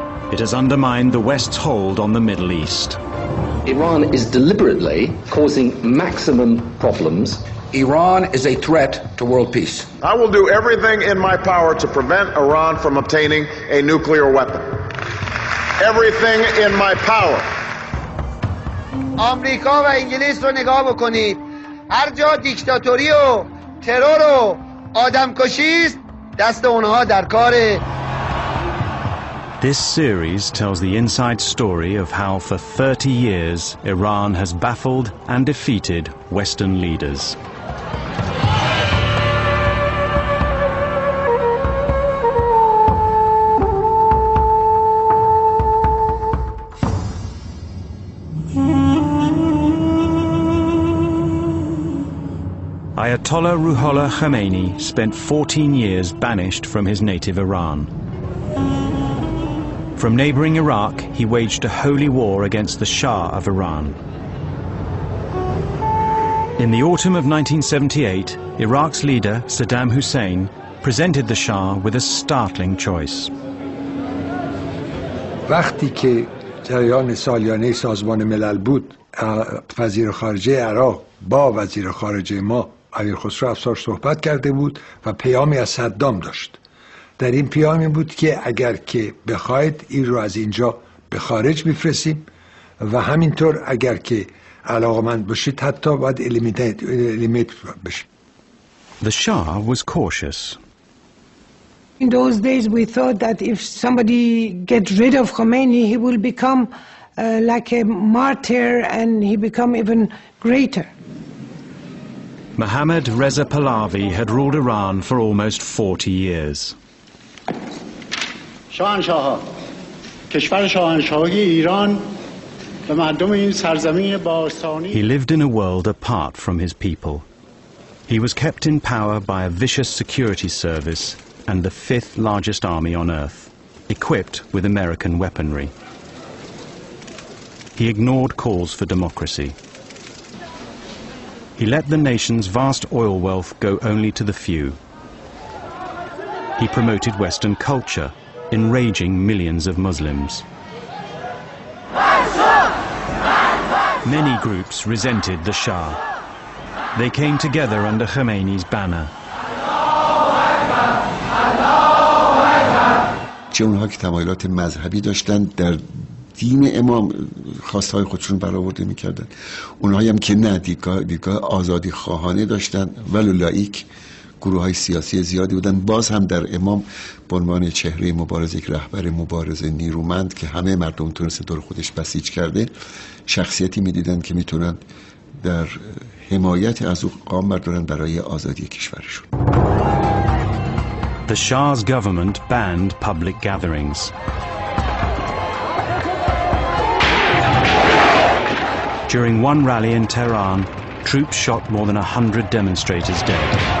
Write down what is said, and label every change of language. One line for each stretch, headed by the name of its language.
English: It has undermined the West's hold on the Middle East. Iran is deliberately causing maximum problems. Iran is a threat to world peace. I will do everything in my power to prevent Iran from obtaining a nuclear weapon. Everything in my power.
Persian: آمریکا و انگلیس رو نگاه بکنید. هر جا دیکتاتوری و ترور و آدمکشی است، دست اونها در کاره.
English: This series tells the inside story of how for 30 years Iran has baffled and defeated Western leaders. Ayatollah Ruhollah Khomeini spent 14 years banished from his native Iran. From neighboring Iraq, he waged a holy war against the Shah of Iran. In the autumn of 1978, Iraq's leader, Saddam Hussein, presented the Shah with a startling choice.
Persian: وقتی که جریان سالیانه سازمان ملل بود، وزیر خارجه عراق با وزیر خارجه ما امیر خسرو افشار صحبت کرده بود و پیامی از صدام داشت. در این پیامی بود که اگر که بخواید این رو از اینجا به خارج بفرستیم و همینطور اگر که علاقمند باشید حتی باید الیمیت بشیم.
English: The Shah was cautious. In those days we thought that if somebody get rid of Khomeini he will become like a martyr and he become even greater. Mohammad Reza Pahlavi had ruled Iran for almost 40 years.
Persian: شاهنشاه کشور شاهنشاهی ایران به مردم این سرزمین باستانی.
English: He lived in a world apart from his people. He was kept in power by a vicious security service and the fifth largest army on earth, equipped with American weaponry. He ignored calls for democracy. He let the nation's vast oil wealth go only to the few. He promoted Western culture, enraging millions of Muslims. Many groups resented the Shah. They came together under Khomeini's banner.
Persian: اونها که تمایلات مذهبی داشتن در دین امام خواستهای خودشون برآورده میکردن. اونهایی هم که نه دیدگاه آزادی خواهانه داشتن ولو لائیک گروه های سیاسی زیادی بودن باز هم در امام عنوان چهره مبارز یک رهبر مبارز نیرومند که همه مردم تونست دور خودش بسیج کرده شخصیتی میدیدن که میتونن در حمایت از او قام بردارن برای آزادی کشورشون.
English: The Shah's government banned public gatherings. During one rally in Tehran, troops shot more than 100 demonstrators dead.